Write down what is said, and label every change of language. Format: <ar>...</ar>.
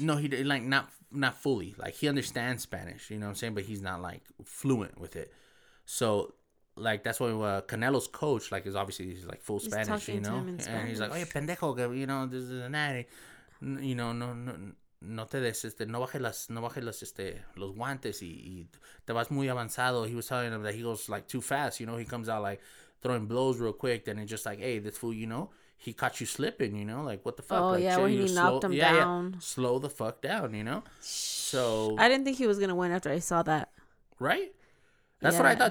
<en>No, he did like not fully, like he understands Spanish, you know what I'm saying, but he's not like fluent with it, so. Like, that's why Canelo's coach, like, is obviously, he's, like, full Spanish, you know? And he's like,</en> <es>oye, pendejo,</es> <en>you know, this is an addy. You know,</en> <es>no te des, no baje los guantes y te vas muy avanzado.</es> <en>He was telling him that he goes, like, too fast, you know? He comes out, like, throwing blows real quick. Then it's just like, hey, this fool, you know, he caught you slipping, you know? Like, what the fuck? Oh, like, yeah, when he knocked him down. Yeah. Slow the fuck down, you know? So. I didn't think he was going to win after I saw that. Right? That's what I thought</en>